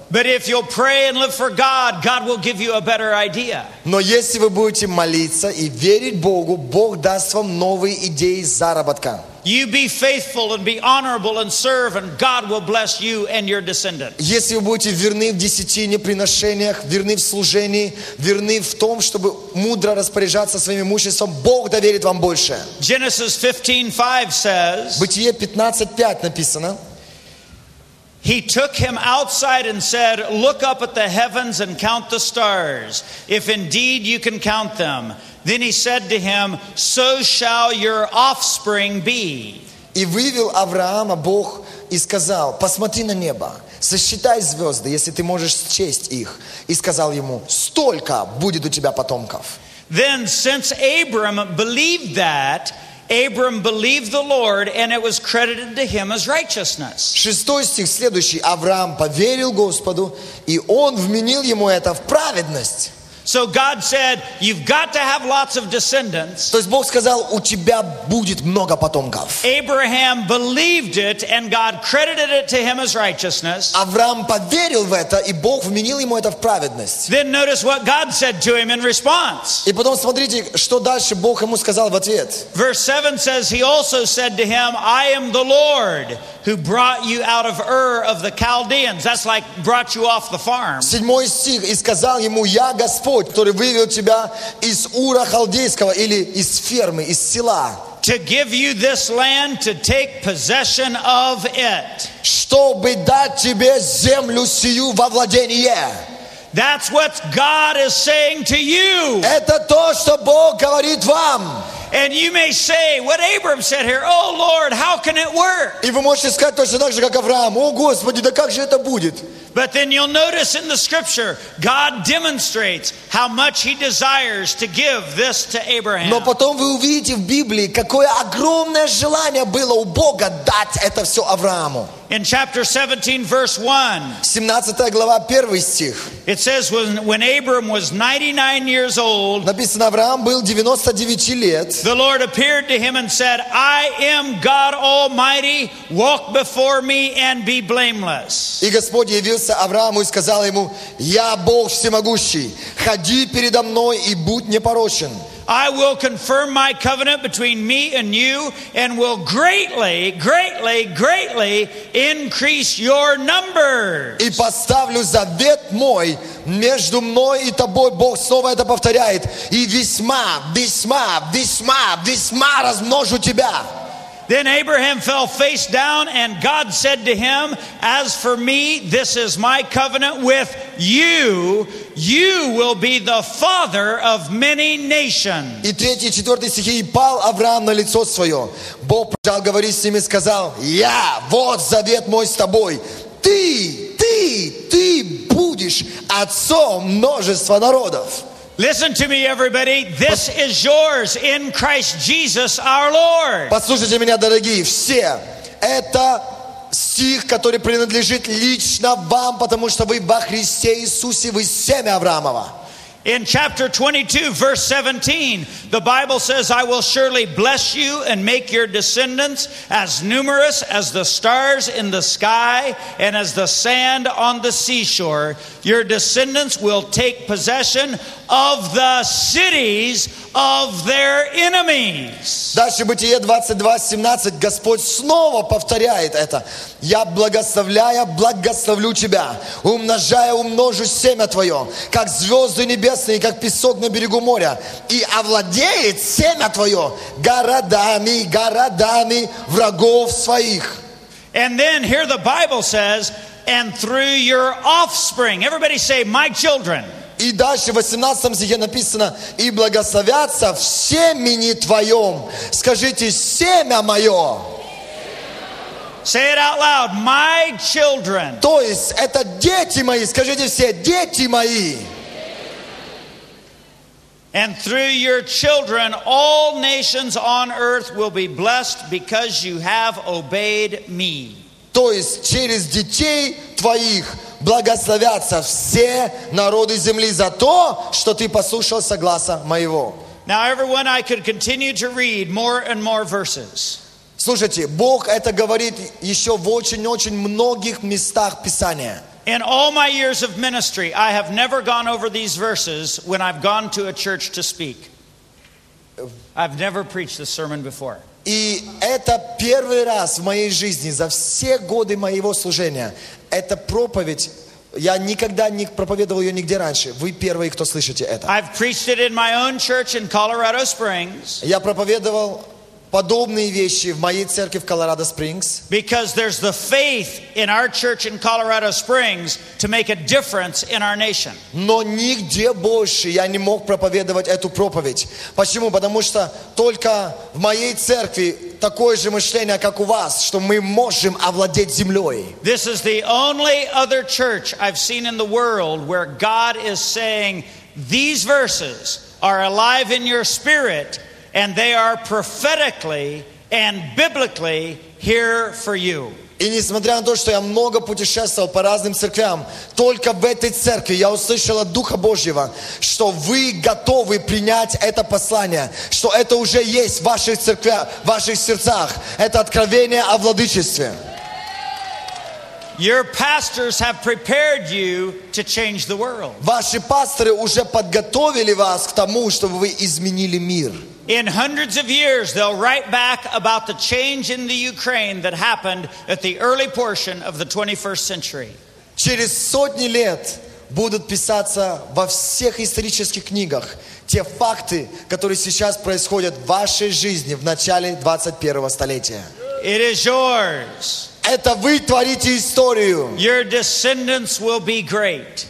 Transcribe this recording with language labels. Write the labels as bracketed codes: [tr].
[en] But if you'll pray and live for God, God will give you a better idea. [ru] Но если вы будете молиться и верить Богу, Бог даст вам новые идеи заработка. [en] You be faithful and be honorable and serve, and God will bless you and your descendants. [ru] Если вы будете верны в десятине, приношениях, верны в служении, верны в том, чтобы мудро распоряжаться своим имуществом, Бог доверит вам больше. [en] Genesis 15:5 says. [ru] Бытие 15:5 написано. [en] He took him outside and said, "Look up at the heavens and count the stars, if indeed you can count them." Then he said to him, "So shall your offspring be." [ru] И вывел Авраама Бог и сказал: "Посмотри на небо, сосчитай звезды, если ты можешь счесть их." И сказал ему: "Столько будет у тебя потомков." [en] Then, since Abram believed that. Abram believed the Lord, and it was credited to him as righteousness. [ru] Шестой стих следующий. Авраам поверил Господу, и он вменил ему это в праведность. [en] So God said, "You've got to have lots of descendants." [ru] То есть Бог сказал, у тебя будет много потомков. [en] Abraham believed it, and God credited it to him as righteousness. [ru] Авраам поверил в это, и Бог вменил ему это в праведность. [en] Then notice what God said to him in response. [ru] И потом смотрите, что дальше Бог ему сказал в ответ. [en] Verse 7 says, "He also said to him, 'I am the Lord who brought you out of Ur of the Chaldeans.'" That's like brought you off the farm. [ru] Седьмой стих и сказал ему: "Я Господь, который вывел тебя из Ура Халдейского или из фермы, из села, [en] to give you this land to take possession of it." [ru] Чтобы дать тебе землю сию во владение. [en] That's what God is saying to you. [ru] Это то, что Бог говорит вам. [en] And you may say what Abram said here: "Oh Lord, how can it work?" [ru] И вы можете сказать точно так же, как Авраам: "О Господи, да как же это будет?" [en] But then you'll notice in the scripture God demonstrates how much He desires to give this to Abraham. [ru] Но потом вы увидите в Библии, какое огромное желание было у Бога дать это все Аврааму. [en] In chapter 17, verse 1. [ru] 17 глава, 1 стих. [en] It says, when Abram was 99 years old. [ru] Написано, Авраам был 99 лет. [en] The Lord appeared to him and said, "I am God Almighty. Walk before me and be blameless." [ru] И Господь явился Аврааму и сказал ему: "Я Бог всемогущий. Ходи передо мной и будь непорочен." [en] I will confirm my covenant between me and you, and will greatly, greatly, greatly increase your numbers. [ru] И поставлю завет мой между мной и тобой. Бог снова это повторяет. И весьма, весьма, весьма, весьма размножу тебя. [en] Then Abraham fell face down, and God said to him, "As for me, this is my covenant with you. You will be the father of many nations." [ru] И третий, четвертый стихи. И пал Авраам на лицо свое. Бог продолжал говорить с ним и сказал: "Я, вот завет мой с тобой. Ты будешь отцом множества народов." [en] Listen to me, everybody. This is yours in Christ Jesus, our Lord. [ru] Послушайте меня, дорогие все. Это стих, который принадлежит лично вам, потому что вы во Христе Иисусе, вы семя Авраамова. [en] In chapter 22, verse 17, the Bible says, "I will surely bless you and make your descendants as numerous as the stars in the sky and as the sand on the seashore. Your descendants will take possession of the cities of their enemies." [ru] Дальше Бытие 22:17, Господь снова повторяет это. Я благословляя, благословлю тебя, умножая, умножу семя твое, как звезды небесные, как песок на берегу моря, и овладеет семя твое городами, городами врагов своих. [en] And then here the Bible says, "And through your offspring." Everybody say, "My children." [ru] И дальше в 18 стихе написано: "И благословятся в семени твоем." Скажите: "Семя мое." [en] Say it out loud: "My children." [ru] То есть это дети мои. Скажите все: "Дети мои." [en] "And through your children all nations on earth will be blessed because you have obeyed me." [ru] То есть через детей твоих благословятся все народы земли за то, что ты послушался гласа моего. [en] Now everyone, I could continue to read more and more verses. [ru] Слушайте, Бог это говорит еще в очень-очень многих местах Писания. [en] In all my years of ministry, I have never gone over these verses when I've gone to a church to speak. I've never preached this sermon before. [ru] И это первый раз в моей жизни за все годы моего служения. Эта проповедь, я никогда не проповедовал ее нигде раньше. Вы первые, кто слышите это. [en] I've preached it in my own church in Colorado Springs. [ru] Я проповедовал подобные вещи в моей церкви в Colorado Springs. [en] Because there's the faith in our church in Colorado Springs to make a difference in our nation. [ru] Но нигде больше я не мог проповедовать эту проповедь. Почему? Потому что только в моей церкви такое же мышление, как у вас, что мы можем овладеть землей. [en] This is the only other church I've seen in the world where God is saying these verses are alive in your spirit. And they are prophetically and biblically here for you. [ru] И несмотря на то, что я много путешествовал по разным церквям, только в этой церкви я услышал от Духа Божьего, что вы готовы принять это послание, что это уже есть в ваших церквях, в ваших сердцах. Это откровение о владычестве. [en] Your pastors have prepared you to change the world. [ru] Ваши пасторы уже подготовили вас к тому, чтобы вы изменили мир. [en] In hundreds of years, they'll write back about the change in the Ukraine that happened at the early portion of the 21st century. [ru] Через сотни лет будут писаться во всех исторических книгах те факты, которые сейчас происходят в вашей жизни в начале 21-го столетия. [en] It is yours. [ru] Это вы творите историю. [en] Your descendants will be great.